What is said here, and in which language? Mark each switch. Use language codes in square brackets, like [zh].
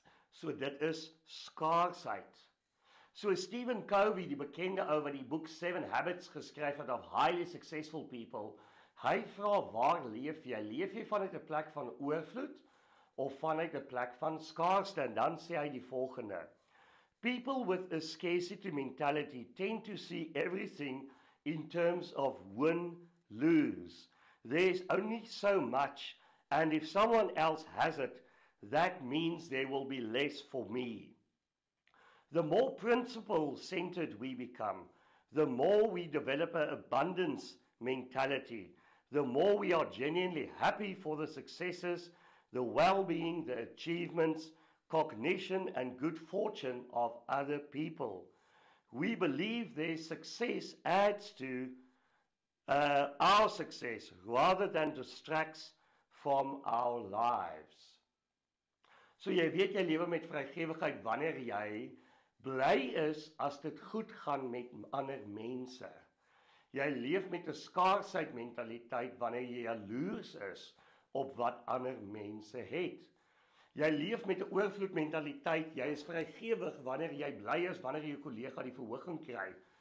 [af] So dit is skaarsheid. So Stephen Covey, die bekende ou wat die boek 7 Habits geskryf het of Highly Successful People, hy vra waar leef jy? Leef jy vanuit 'n plek van oorvloed of vanuit 'n plek van skaarste? En dan sê hy die volgende. [en] People with a scarcity mentality tend to see everything in terms of win-lose. There's only so much, and if someone else has it, that means there will be less for me. The more principle-centered we become, the more we develop an abundance mentality, the more we are genuinely happy for the successes, the well-being, the achievements, cognition and good fortune of other people. We believe their success adds to our success rather than distracts from our lives. [af] So jy weet jy lewe met vrygewigheid wanneer jy bly is as dit goed gaan met ander mense. Jy leef met 'n skaarsheid mentaliteit wanneer jy jaloers is op wat ander mense het. Jy leef met 'n oorvloed mentaliteit, jy is vrygewig wanneer jy bly is, wanneer jy 'n kollega die verhoging kry.